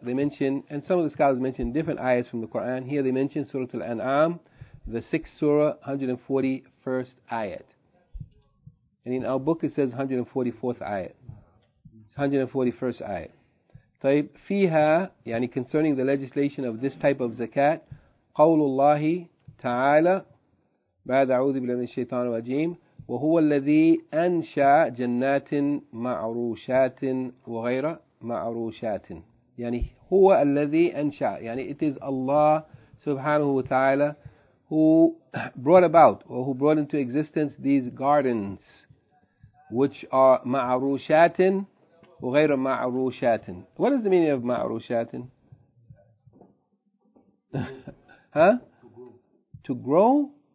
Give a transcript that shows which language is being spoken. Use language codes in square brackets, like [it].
[en] They mention, and some of the scholars mention different ayahs from the Quran. Here they mention Surah Al-An'am, the 6th surah, 141st ayat. And in our book it says 144th ayat. It's 141st ayat. [ar] طيب فيها [en] concerning the legislation of this type of zakat, [ar] قول الله تعالى بعد أعوذ بالله من الشيطان الرجيم وهو الذي أنشأ جنات معروشات وغير معروشات يعني هو الذي أنشأ يعني [en] it is Allah [ar] سبحانه وتعالى [en] who brought about or who brought into existence these gardens which are [ar] معروشات وغير معروشات. [en] What is the meaning of معروشات? Huh? To grow?